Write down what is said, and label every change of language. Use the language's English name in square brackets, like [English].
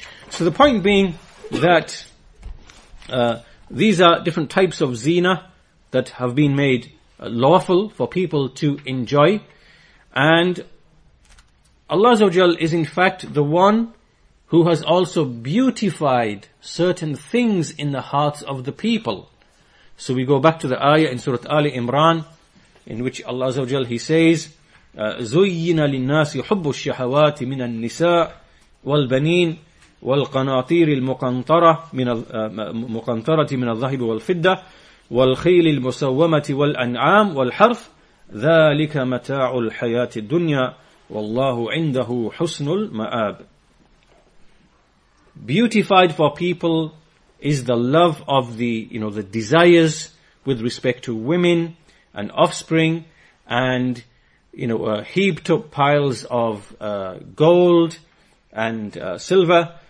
[English] So the point being that these are different types of zina that have been made lawful for people to enjoy. And Allah Azza wa Jal is in fact the one who has also beautified certain things in the hearts of the people. So we go back to the ayah in Surah Ali Imran, in which Allah Azza wa Jal, He says, [Arabic] زُيِّنَ لِلنَّاسِ حُبُّ الشَّهَوَاتِ مِنَ النِّسَاءِ وَالْبَنِينَ والقناطير المقنطرة من الذهب والفضة والخيل المسومة والأنعام والحرث ذلك متاع الحياة الدنيا والله عنده حسن المآب. [English] Beautified for people is the love of the, you know, the desires with respect to women and offspring and, you know, heaped up piles of gold and silver.